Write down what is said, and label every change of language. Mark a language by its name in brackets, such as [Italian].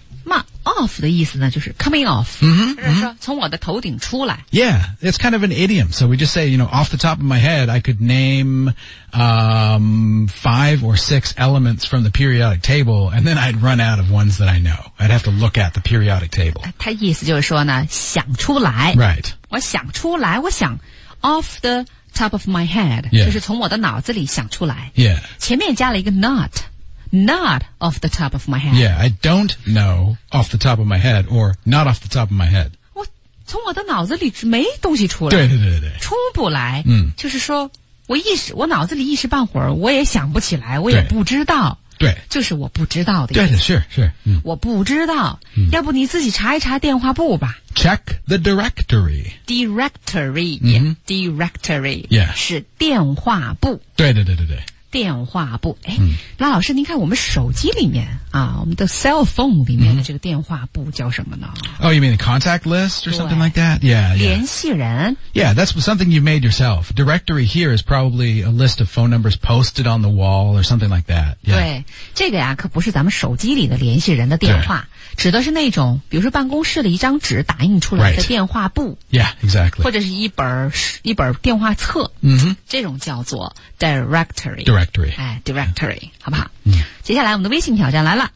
[Chinese] 那 off 的意思呢就是 [English] coming off,、 mm-hmm, [Chinese] 就是说、mm-hmm. 从我的头顶出来。 [English] Yeah, it's kind of an idiom. So we just say, you know, off the top of my head, I could name, five or six elements from the periodic table, and then I'd run out of ones that I know. I'd have to look at the periodic table. [Chinese] 他意思就是说呢想出来。 [English] Right. [Chinese] 我想出来我想 [English] off theTop of my head,、 yeah. [Chinese] 就是从我的脑子里想出来。 [English] Yeah. [Chinese] 前面加了一个 [English] not, not off the top of my head. Yeah, I don't know off the top of my head or not off the top of my head. [Chinese] 我从我的脑子里没东西出来。对。出不来、嗯、就是说我脑子里一时半会儿我也想不起来我也不知道。对。就是我不知道的意思。对 sure.、嗯、我不知道、嗯、要不你自己查一查电话簿吧。 [English] Check the directory. Directory.、 Mm-hmm. Directory. Yeah. [Chinese] 是电话簿。对。电话簿。诶、嗯、那老师您看我们手机里面啊我们的 cell phone 里面的这个电话簿叫什么呢 [English] Oh, you mean the contact list or something like that? Yeah, yeah. [Chinese] 联系人。 [English] Yeah, that's something you made yourself. Directory here is probably a list of phone numbers posted on the wall or something like that.、Yeah. [Chinese] 对。这个呀可不是咱们手机里的联系人的电话。指的是那种比如说办公室的一张纸打印出来的电话簿、 [English] right. Yeah, exactly. [Chinese] 或者是一本电话册、 mm-hmm. 这种叫做 directory [English] directory、 [Chinese] 哎、directory、yeah. 好不好、 mm-hmm. 接下来我们的微信挑战来了